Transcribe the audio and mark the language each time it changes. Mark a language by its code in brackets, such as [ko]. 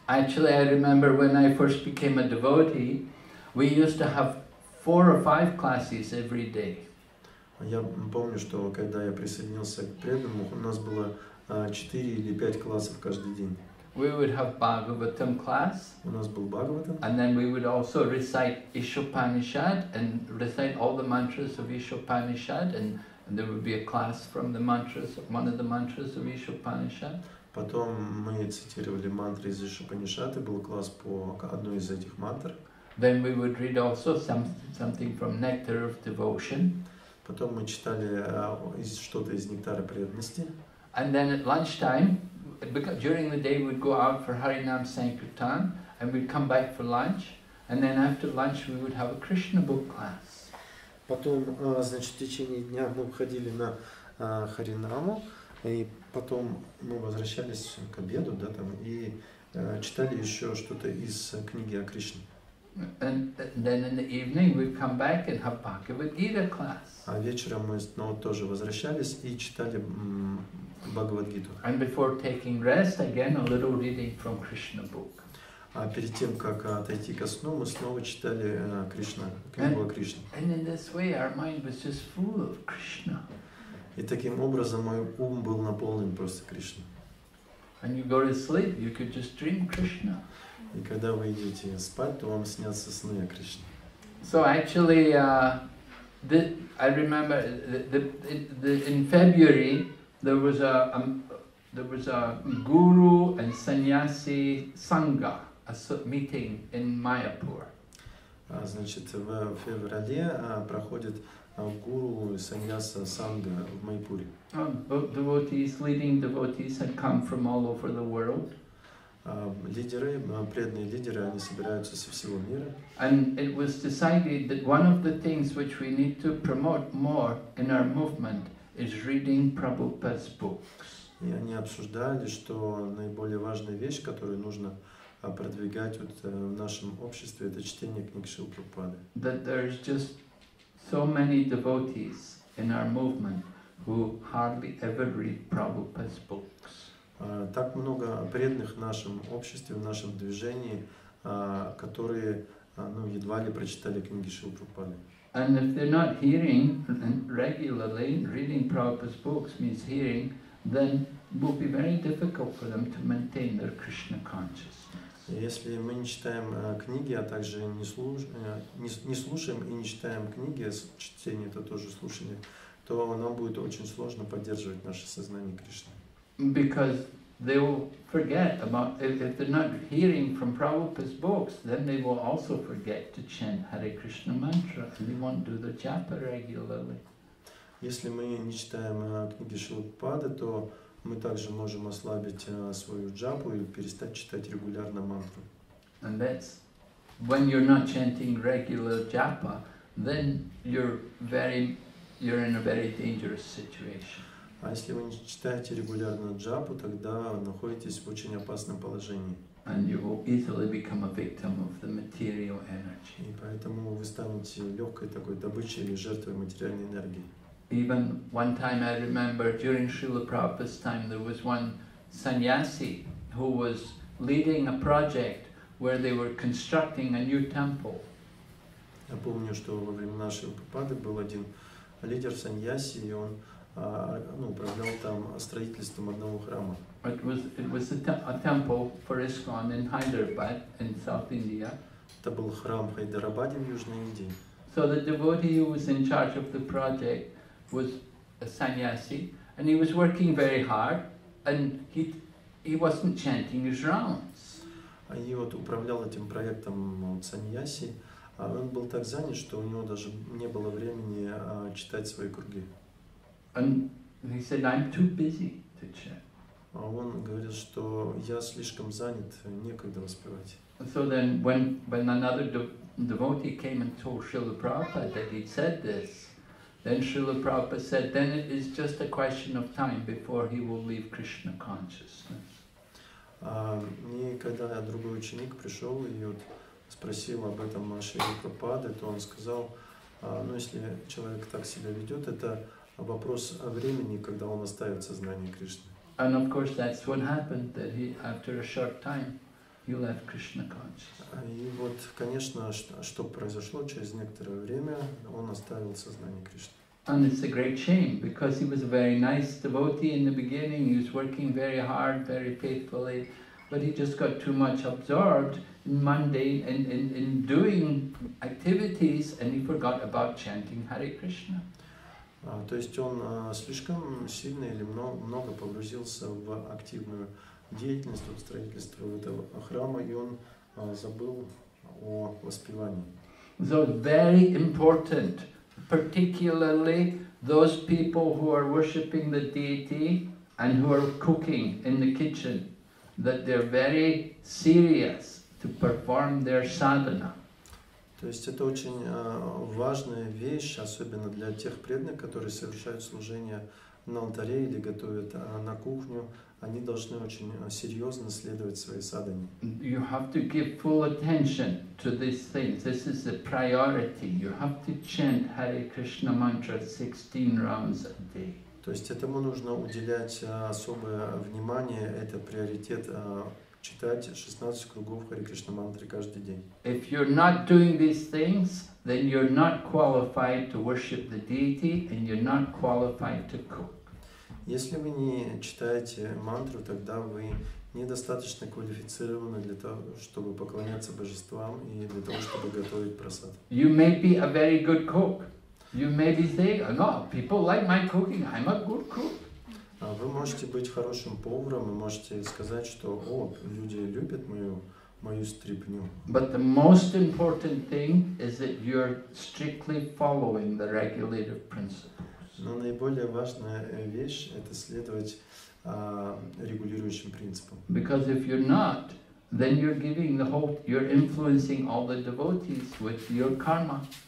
[en] Actually, I remember when I first became a devotee, we used to have four or five classes every day. [ru] Я помню, что когда я присоединился к преданному, у нас было 4 или 5 классов каждый день. [en] We would have Bhagavatam class. [ru] У нас был Бхагаватам. [en] And then we would also recite Ishopanishad and recite all the mantras of Ishopanishad and there would be a class from the mantras, one of the mantras of Ishopanishad. [ru] Потом мы цитировали мантры из Ишопанишад, и был класс по одной из этих мантр. [en] Then we would read also something from Nectar of Devotion. [ru] Потом мы читали что-то из Нектара преданности. [en] And then at lunchtime, during the day, we'd go out for Harinam Sankirtan, and we'd come back for lunch, and then after lunch, we would have a Krishna book class. [ru] Потом, значит, в течение дня мы ходили на Харинаму, и потом мы возвращались к обеду, да, там, и читали еще что-то из книги о Кришне. [en] And then in the evening we come back and have Bhagavad Gita class. [ru] А вечером мы снова тоже возвращались и читали Бхагавад Гиту. [en] And before taking rest, again a little reading from Krishna book. [ru] А перед тем, как отойти ко сну, мы снова читали Кришна, книгу о Кришне. [en] And in this way, our mind was just full of Krishna. [ru] И таким образом мой ум был наполнен просто Кришной. [en] When you go to sleep, you could just dream Krishna. [ru] И когда вы идете спать, то вам снятся сны о Кришне. [en] So actually, I remember in February there was a guru and sannyasi sangha, a meeting in Mayapur. [ru] Значит, в феврале проходит гуру и саньяса санга в Майпуре. [en] Devotees, leading devotees had come from all over the world. [ru] Лидеры, преданные лидеры, они собираются со всего мира. [en] And it was decided that one of the things which we need to promote more in our movement is reading Prabhupada's books. [ru] И они обсуждали, что наиболее важная вещь, которую нужно продвигать вот в нашем обществе, это чтение книг Шрилы Прабхупады. [en] That there is just so many devotees in our movement who hardly ever read Prabhupada's books. [ru] Так много преданных в нашем обществе, в нашем движении, которые ну, едва ли прочитали книги Шрилы Прабхупады. [en] And if they're not hearing regularly, reading Prabhupada's books means hearing, then will be very difficult for them to maintain their Krishna consciousness. [ru] Если мы не читаем книги, а также не слушаем и не читаем книги, чтение это тоже слушание, то нам будет очень сложно поддерживать наше сознание Кришны. [en] Because they will forget about if they're not hearing from Prabhupada's books, then they will also forget to chant Hare Krishna mantra and they won't do the japa regularly. [ru] Если мы не читаем книги Шрилы Прабхупады, то мы также можем ослабить свою джапу и перестать читать регулярно мантру. [en] And that's when you're not chanting regular japa, then you're in a very dangerous situation. [ru] А если вы не читаете регулярно джапу, тогда находитесь в очень опасном положении. [en] And you will easily become a victim of the material energy. [ru] И поэтому вы станете легкой такой добычей или жертвой материальной энергии. [en] Even one time I remember during Srila Prabhupada's time there was one sannyasi who was leading a project where they were constructing a new temple. [ru] Я помню, что во времена Шрилы Прабхупады был один лидер сannyasi, и он управлял там строительством одного храма. [en] It was a temple for ISKCON in Hyderabad in South India. [ru] Это был храм в Хайдарабаде в Южной Индии. [en] So the devotee who was in charge of the project was a sannyasi, and he was working very hard, and he wasn't chanting his rounds. [ru] И вот управлял этим проектом сannyasi, а он был так занят, что у него даже не было времени читать свои круги. [en] And he said, "I'm too busy to chant." [ru] А он говорил, что я слишком занят, некогда воспевать. [en] So then, when another devotee came and told Srila Prabhupada that he'd said this, then Srila Prabhupada said, then it is just a question of time before he will leave Krishna consciousness. [ru] И когда другой ученик пришел и вот спросил об этом Шрилы Прабхупады, то он сказал, если человек так себя ведет, это вопрос о времени, когда он оставит сознание Кришны. [en] And of course that's what happened, that he, after a short time, he left Krishna consciousness. [ru] И вот, конечно, что произошло, через некоторое время он оставил сознание Кришны. [en] And it's a great shame, because he was a very nice devotee in the beginning, he was working very hard, very faithfully, but he just got too much absorbed in mundane, in doing activities, and he forgot about chanting Hare Krishna. [ru] То есть он слишком сильно или много погрузился в активную деятельность, в строительство этого храма, и он забыл о воспевании. [en] So very important, particularly those people who are worshipping the deity and who are cooking in the kitchen, that they're very serious to perform their sadhana. [ru] То есть это очень важная вещь, особенно для тех преданных, которые совершают служение на алтаре или готовят на кухню. Они должны очень серьезно следовать своей садхане. [en] You have to give full attention to these things. This is a priority. You have to chant Hare Krishna mantra 16 rounds a day. [ru] То есть этому нужно уделять особое внимание, это приоритет читать 16 кругов Хари Кришна мантры каждый день. [en] If you're not doing these things, then you're not qualified to worship the deity, and you're not qualified to cook. [ru] Если вы не читаете мантру, тогда вы недостаточно квалифицированы для того, чтобы поклоняться божествам и для того, чтобы готовить просад. [en] You may be a very good cook. You may be saying, "Oh, people like my cooking. I'm a good cook." [ru] Вы можете быть хорошим поваром и можете сказать, что, о, люди любят мою стряпню. [en] But the most important thing is that you're strictly following the regulative principles. [ru] Но наиболее важная вещь — это следовать регулирующим принципам. [en] Because if you're not, then you're giving the whole, you're influencing all the devotees with your karma.